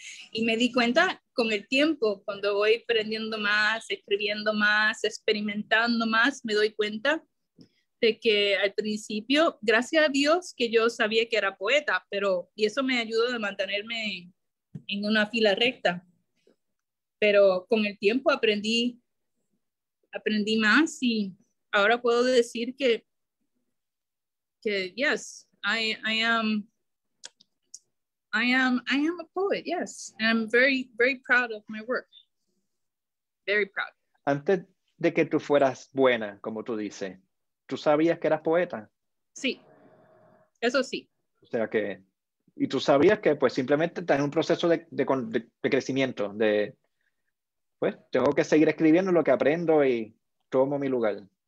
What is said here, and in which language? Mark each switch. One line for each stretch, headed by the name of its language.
Spanish: Y me di cuenta con el tiempo, cuando voy aprendiendo más, escribiendo más, experimentando más, me doy cuenta de que al principio, gracias a Dios, que yo sabía que era poeta, pero, y eso me ayudó a mantenerme en una fila recta. Pero con el tiempo aprendí más y ahora puedo decir que
English: yes, I am a poet, yes. And I'm very, very proud of my work. Very proud.
Spanish: Antes de que tú fueras buena, como tú dices, ¿tú sabías que eras poeta? Sí. Eso sí. O sea que, y tú sabías que pues simplemente estás en un proceso de crecimiento, de, pues, tengo que seguir escribiendo lo que aprendo y tomo mi lugar.